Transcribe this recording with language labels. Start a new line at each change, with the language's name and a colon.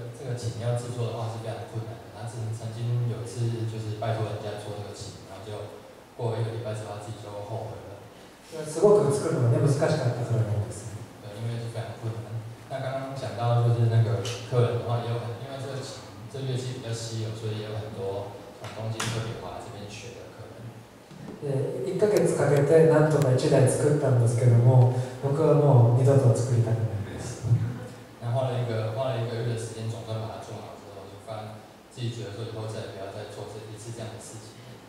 Chinese: 这个琴要制作的话是非常困难的，他曾经有一次就是拜托人家做这个琴，然后就过了一个礼拜之后自己就后悔了。
Japanese: すごく作るのが、ね、難しかったからなんです。
Chinese: 因为是非常困难。那刚刚讲到就是那个客人的话，也有很因为这乐器比较稀有，所以也有很多从东京特别跑来这边学的客人。
Japanese: 一ヶ月かけてなんとか一台作ったんですけども、僕はもう二度と作りたくないです。
Chinese: 那花了一个月的时间，总算把它做好之后，就发现自己觉得说以后再也不要再做这一次这样的事情。